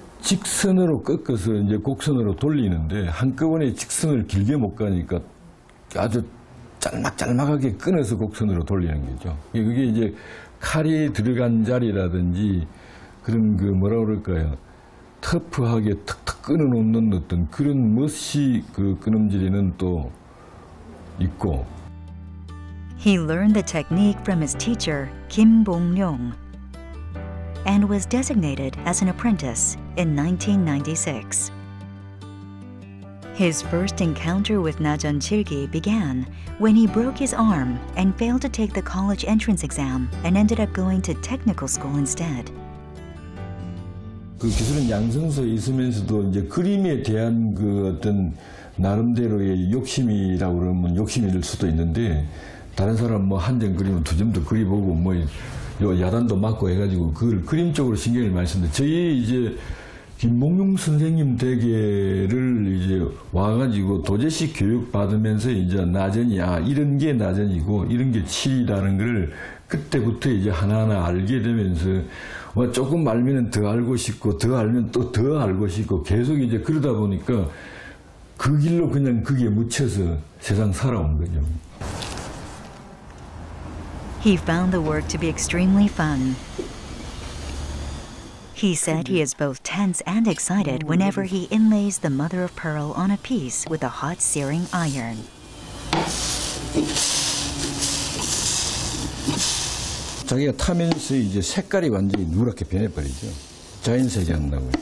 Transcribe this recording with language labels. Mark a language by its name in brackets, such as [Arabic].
[Korean] 직선으로 꺾어서 이제 곡선으로 돌리는데, 한꺼번에 직선을 길게 못 가니까 아주 짤막짤막하게 끊어서 곡선으로 돌리는 거죠. 그게 이제 칼이 들어간 자리라든지 그런 그 뭐라 그럴까요? 터프하게 탁탁 끊어 놓는 어떤 그런 멋이 그 끊음질에는 또 있고. [English] He learned the technique from his teacher, Kim Bong-ryong, and was designated as an apprentice in 1996. His first encounter with 나전칠기 began when he broke his arm and failed to take the college entrance exam and ended up going to technical school instead. [Korean] 그 기술은 양성소에 있으면서도 이제 그림에 대한 그 어떤 나름대로의 욕심이라고 그러면 욕심일 수도 있는데, 다른 사람 뭐 한 점 그리면 두 점도 그리보고 뭐 요 야단도 맞고 해가지고 그걸 그림 쪽으로 신경을 많이 썼는데, 저희 이제 김봉룡 선생님 댁에를 이제 와가지고 도제시 교육 받으면서 이제 나전이, 아, 이런 게 나전이고 이런 게 칠이라는 걸 그때부터 이제 하나하나 알게 되면서, 뭐 조금 알면 더 알고 싶고 더 알면 또 더 알고 싶고 계속 이제 그러다 보니까 그 길로 그냥 그게 묻혀서 세상 살아온 거죠. [English] He found the work to be extremely fun. He said he is both tense and excited whenever he inlays the mother of pearl on a piece with a hot searing iron. He takes it, the color is completely changed. It's natural.